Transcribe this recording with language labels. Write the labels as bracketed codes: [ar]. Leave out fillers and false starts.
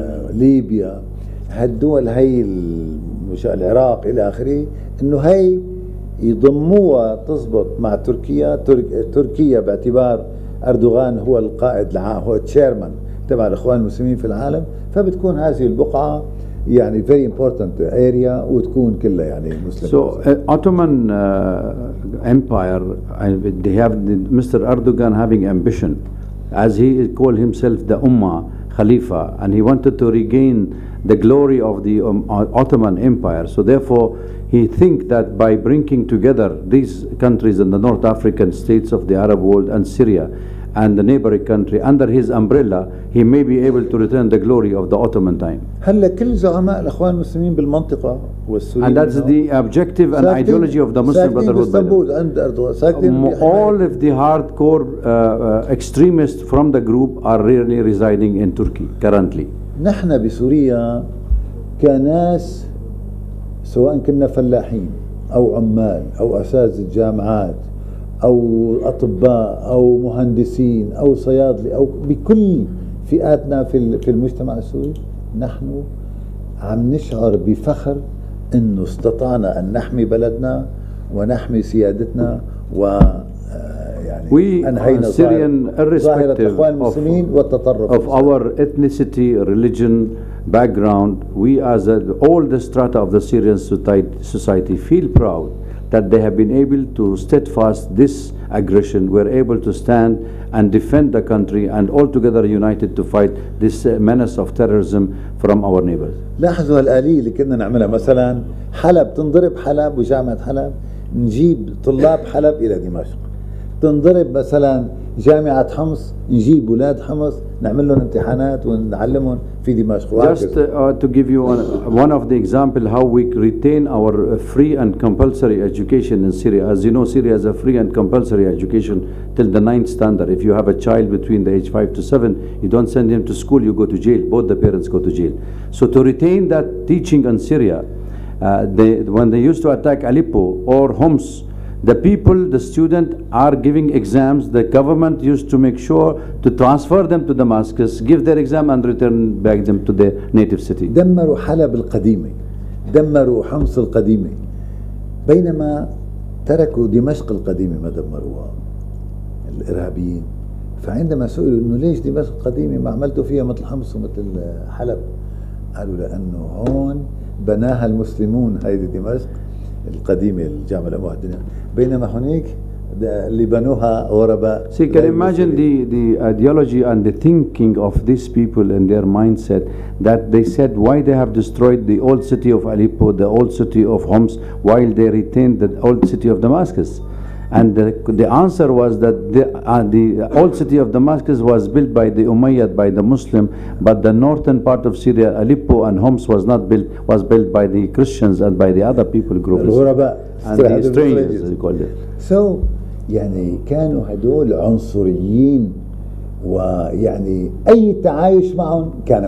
[ar] ليبيا هالدول هاي العراق إلى آخره إنه هاي يضموها تزبط مع تركيا تركيا باعتبار أردوغان هو القائد العام هو تشيرمان تبع الإخوان المسلمين في العالم فبتكون هذه البقعة يعني [en] very important area [ar] وتكون كلها يعني مسلمة. [en] So Ottoman Empire, they have Mr. Erdogan having ambition, as he called himself the Ummah Khalifa, and he wanted to regain the glory of the Ottoman Empire. So therefore, he think that by bringing together these countries and the North African states of the Arab world and Syria. And the neighboring country under his umbrella, he may be able to return the glory of the Ottoman time. [ar] هلا كل زعماء الإخوان المسلمين بالمنطقة والسوريين. [en] And that's the objective and ideology of the Muslim Brotherhood. [ar] عند أردوغان. ساكتين. [en] All of the hardcore extremists from the group are really residing in Turkey currently. [ar] نحن بسوريا كناس سواء كنا فلاحين أو عمال أو أساتذة جامعات. أو أطباء أو مهندسين أو صيادلي أو بكل فئاتنا في المجتمع السوري نحن عم نشعر بفخر إنه استطعنا أن نحمي بلدنا ونحمي سيادتنا و يعني [en] we Syrian irrespective of our ethnicity religion background we as all the strata of the Syrian society feel proud that they have been able to steadfast this aggression, were able to stand and defend the country and altogether united to fight this menace of terrorism from our neighbors. [ar] لاحظوا هالآلية اللي كنا نعملها مثلا حلب تنضرب حلب وجامعة حلب نجيب طلاب حلب إلى دمشق تنضرب مثلا جامعة حمص نجيب أولاد حمص نعمل لهم امتحانات ونعلمهم في دمشق [en] Just to give you one of the example how we retain our free and compulsory education in Syria. As you know, Syria has a free and compulsory education till the 9th standard. If you have a child between the age 5 to 7, you don't send him to school, you go to jail. Both the parents go to jail. So to retain that teaching in Syria, when they used to attack Aleppo or Homs, The people, the student, are giving exams. The government used to make sure to transfer them to Damascus, give their exam and return back them to their native city. [ar] دمروا حلب القديمة, دمروا حمص القديمة, بينما تركوا دمشق القديمة ما دمروها الإرهابيين. فعندما سئلوا إنه ليش دمشق القديمة ما عملتوا فيها مثل حمص ومثل حلب, قالوا لأنه هون بناها المسلمون هيدي دمشق القديمة الجامعة المعدنية, بينما هناك اللي بنوها غرباء. [en] See, can imagine the ideology and the thinking of these people and their mindset that they said why they have destroyed the old city of Aleppo, the old city of Homs, while they retained the old city of Damascus. And the answer was that the old city of Damascus was built by the Umayyad, by the Muslim, but the northern part of Syria, Aleppo and Homs, was not built, was built by the Christians and by the other people groups. And the strangers, as you call it. [ar] So, يعني كانوا هدول عنصريين ويعني أي تعايش معهم كان.